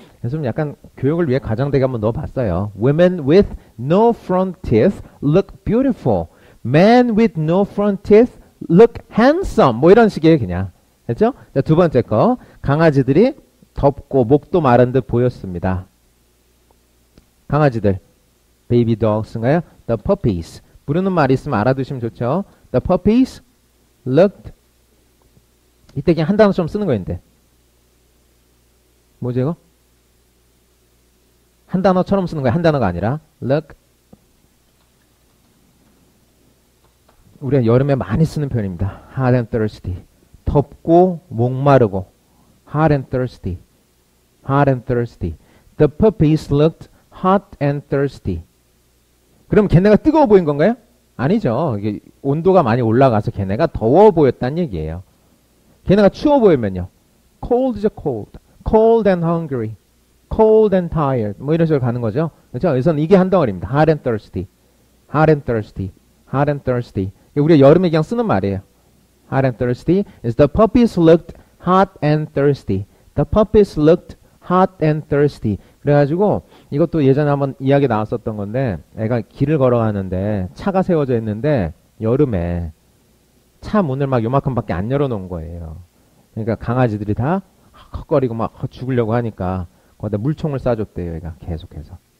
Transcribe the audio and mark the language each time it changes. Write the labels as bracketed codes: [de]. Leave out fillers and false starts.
[ko] 그래서 좀 약간 교육을 위해 가정대기 한번 넣어봤어요. [en] Women with no front teeth look beautiful. Men with no front teeth look handsome. [ko] 뭐 이런 식이에요, 그냥. 됐죠? 자, 두 번째 거. 강아지들이 덥고 목도 마른 듯 보였습니다. 강아지들. [en] Baby dogs인가요? The puppies. [ko] 부르는 말 있으면 알아두시면 좋죠. [en] The puppies looked. [ko] 이때 그냥 한 단어처럼 쓰는 거인데. 뭐지, 이거? 한 단어처럼 쓰는 거예요. 한 단어가 아니라. [en] Look. [ko] 우리가 여름에 많이 쓰는 표현입니다. [en] Hot and thirsty. [ko] 덥고 목마르고. [en] Hot and thirsty. Hot and thirsty. The puppies looked hot and thirsty. [ko] 그럼 걔네가 뜨거워 보인 건가요? 아니죠. 이게 온도가 많이 올라가서 걔네가 더워 보였다는 얘기예요. 걔네가 추워 보이면요. [en] Cold is a cold. Cold and hungry. Cold and tired. [ko] 뭐 이런 식으로 가는 거죠. 그렇죠? 여기서는 이게 한 덩어리입니다. [en] Hot and thirsty. Hot and thirsty. Hot and thirsty. [ko] 우리가 여름에 그냥 쓰는 말이에요. [en] Hot and thirsty. The puppies looked hot and thirsty. The puppies looked hot and thirsty. [ko] 그래가지고 이것도 예전에 한번 이야기 나왔었던 건데 애가 길을 걸어가는데 차가 세워져 있는데 여름에 차 문을 막 요만큼밖에 안 열어놓은 거예요. 그러니까 강아지들이 다 헉헉거리고 막 죽으려고 하니까 거기다 물총을 쏴줬대요. 애가 계속해서.